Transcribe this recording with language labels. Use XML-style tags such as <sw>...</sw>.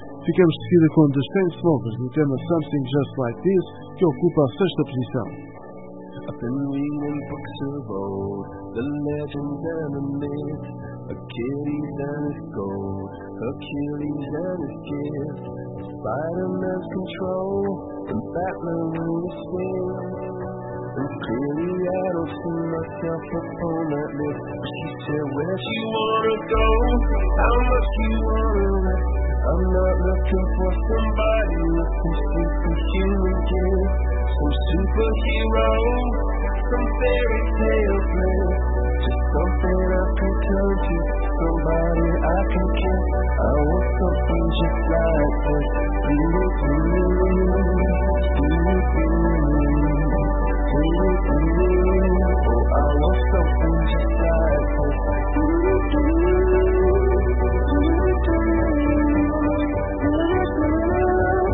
<pt>Ficamos de seguida com The Strange Smokers, no tema Something Just Like This, que ocupa a sexta posição.</pt> <en>Up in New England books of old, the legends and the myths, Achilles and his gold, Achilles and his gift, Spider-Man's control, and Batman and his swing. And clearly I don't see myself upon that list. She said, where do you wanna go? How much you wanna risk? I'm not looking for somebody with this superhuman gift. Some superhero, some fairy tale bliss. Just something I can turn to, somebody I can kiss. I want something just like this. Do it for me, do it for me. Do it for me. Oh, I want something just like this. Do do do do do do do do do do do do do do do do do do do do do.</en>